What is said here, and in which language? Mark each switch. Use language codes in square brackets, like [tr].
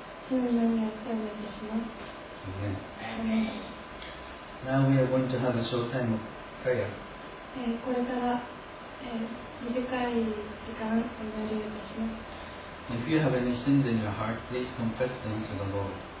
[ja] 主の名によってお願いいたします。 [en] Amen. Now we are going to have a short time of prayer. [ja] これから短い時間をお祈りいたします。 [en] If you have any sins in your heart, please confess them to the Lord.